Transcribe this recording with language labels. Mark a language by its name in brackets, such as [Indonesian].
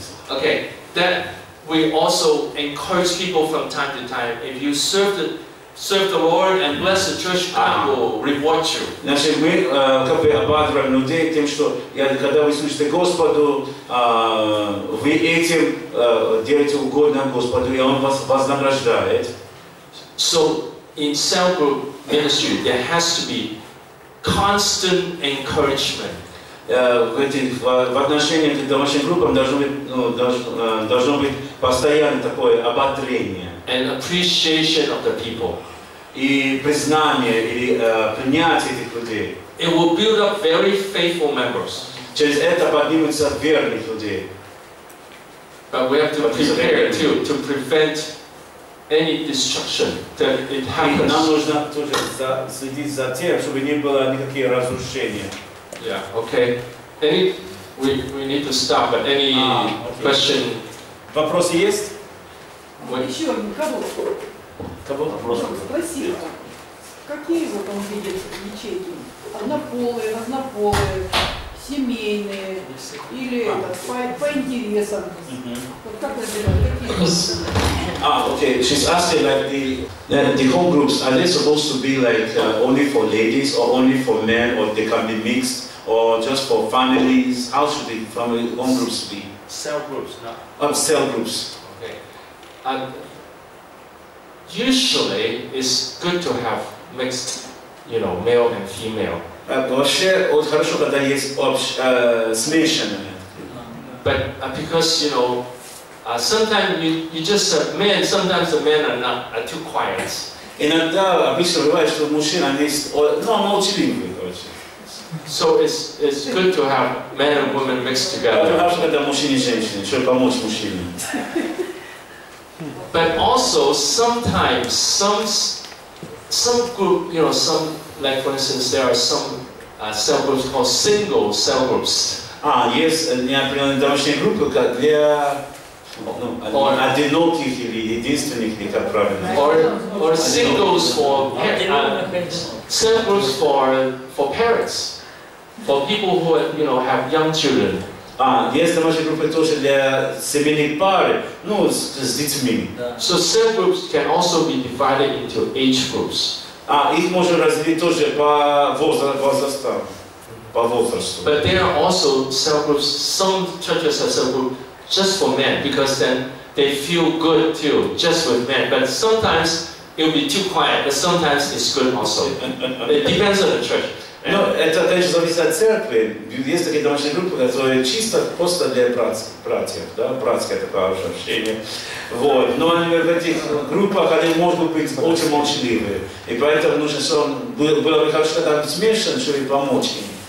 [English] Okay, that we also encourage people from time to time, if you serve the Lord and bless the church, God will reward you. [Russian] Значит, мы как бы ободряем людей тем, что когда вы служите Господу, вы этим делаете угодно Господу, и Он вас вознаграждает. [English] So, in cell group ministry, there has to be constant encouragement. [Russian] В отношении к домашним группам должно быть постоянное такое ободрение. [English] And appreciation of the people. [Russian] И признание или принятие этих людей. [English] It will build up very faithful members. [Russian] Через это поднимутся верные люди. [English] But we have to prepare too to prevent any destruction that it happens. [Russian] И нам нужно тоже следить за тем, чтобы не было никакие разрушения. [English] Yeah. Okay. Any? We need to stop. But any question? [Russian] Вопросы есть? Вот. Еще один, кого? Кого? Вопрос. Спросил. Какие вот он видит ячейки? Однополые, разнополые, семейные или по интересам? Вот как разбирать? Какие? [English] Okay. She's asking like the whole groups, are they supposed to be like only for ladies or only for men, or they can be mixed or just for families? How should the family home groups be? Cell groups, no. Cell groups. Okay. And usually it's good to have mixed, you know, male and female. [Russian] Вообще хорошо, когда есть смешанное. [English] But because you know. Sometimes you just men. Sometimes the men are not are too quiet. [Russian] Иногда обычно бывает, что мужчины они молчаливые, короче. [English] So it's good to have men and women mixed together. [Russian] Хорошо, когда мужчины и женщины, чтобы помочь мужчинам. [English] But also sometimes some group, you know, some like for instance, there are some cell groups called single cell groups. Yes, [Russian] например, домашние группы, которые одинокие, единственные, как правильно. [English] Or singles for parents. Cell groups for parents. For people who, you know, have young children. Есть домашние группы тоже для семейных пар, ну, с детьми. So cell groups can also be divided into age groups. Их можно разделить тоже по возрасту. But there are also cell groups, some churches have cell groups, just for men, because then they feel good too, just with men. But sometimes it will be too quiet, but sometimes it's good also. It depends on the church. No, [Russian] это конечно зависит от церкви. Есть такие домашние группы, которые чисто просто для братьев, да, братское такое уже общение. Вот. Но например, в этих группах они могут быть очень молчаливые. И поэтому нужно, чтобы было бы хорошо, когда смешан, чтобы помочь им.